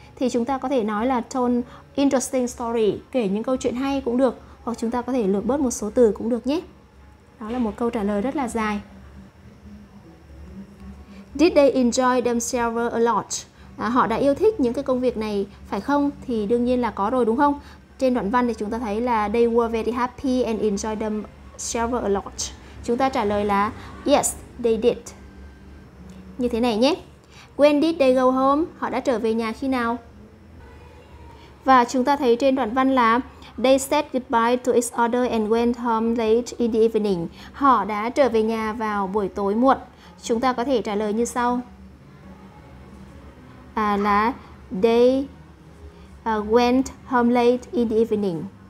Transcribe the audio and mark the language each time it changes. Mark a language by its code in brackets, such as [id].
[vi] Thì chúng ta có thể nói là [en] told interesting story, [vi] kể những câu chuyện hay cũng được. Hoặc chúng ta có thể lược bớt một số từ cũng được nhé. Đó là một câu trả lời rất là dài. [en] Did they enjoy themselves a lot? [vi] Họ đã yêu thích những cái công việc này phải không? Thì đương nhiên là có rồi đúng không? Trên đoạn văn thì chúng ta thấy là [en] they were very happy and enjoyed themselves a lot. [vi] Chúng ta trả lời là [en] yes, they did. [vi] Như thế này nhé. [en] When did they go home? [vi] Họ đã trở về nhà khi nào? Và chúng ta thấy trên đoạn văn là [en] they said goodbye to each other and went home late in the evening. [vi] Họ đã trở về nhà vào buổi tối muộn. Chúng ta có thể trả lời như sau. [en] Là they went home late in the evening.